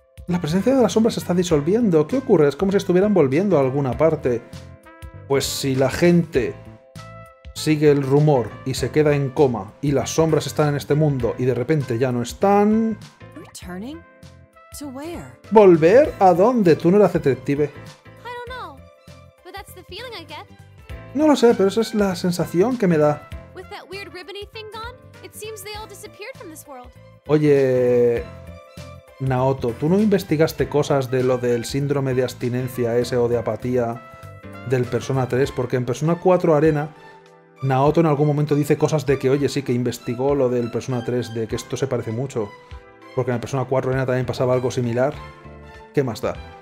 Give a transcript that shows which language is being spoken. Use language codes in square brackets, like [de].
[es] La presencia de las sombras se está disolviendo. ¿Qué ocurre? Es como si estuvieran volviendo a alguna parte. Pues si la gente sigue el rumor y se queda en coma y las sombras están en este mundo y de repente ya no están... [en] ¿Returning? ¿To where? [es] ¿Volver? ¿A dónde? Tú no eras detective. [en] I don't know, but that's the feeling I get. [es] No lo sé, pero esa es la sensación que me da. [en] With that weird ribbony thing gone, it seems they all disappeared from this world. [es] Oye... Naoto, ¿tú no investigaste cosas de lo del síndrome de abstinencia ese o de apatía del Persona 3? Porque en Persona 4 Arena, Naoto en algún momento dice cosas de que, oye, sí, que investigó lo del Persona 3, de que esto se parece mucho. Porque en Persona 4 Arena también pasaba algo similar. ¿Qué más da?